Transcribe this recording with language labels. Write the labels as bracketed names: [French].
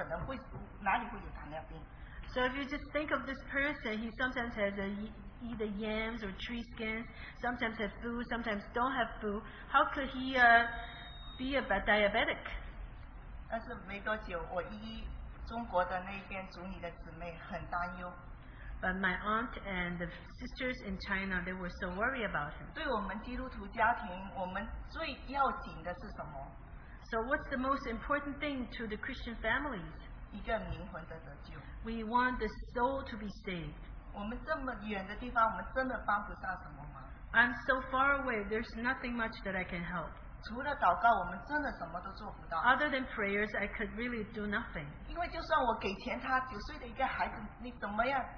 [Chinese] 因为你想象一个有一顿没一顿树皮番薯还在现代的时代里面还在吃的人，会哪里会有糖尿病？ [English] So if you just think of this person, he sometimes has either yams or tree skins, sometimes has food, sometimes don't have food. How could he be a diabetic? [Chinese] 但是没多久，我姨中国的那边组里的姊妹很担忧。 [English] But my aunt and the sisters in China, they were so worried about him. [Chinese] 对我们基督徒家庭，我们最要紧的是什么？ [English] So what's the most important thing to the Christian families? [Chinese] 一个灵魂的得救。 [English] We want the soul to be saved. [Chinese] 我们这么远的地方，我们真的帮不上什么忙。 [English] I'm so far away, there's nothing much that I can help. [Chinese] 除了祷告，我们真的什么都做不到。 [English] Other than prayers, I could really do nothing. [Chinese] 因为就算我给钱他，九岁的一个孩子，你怎么样？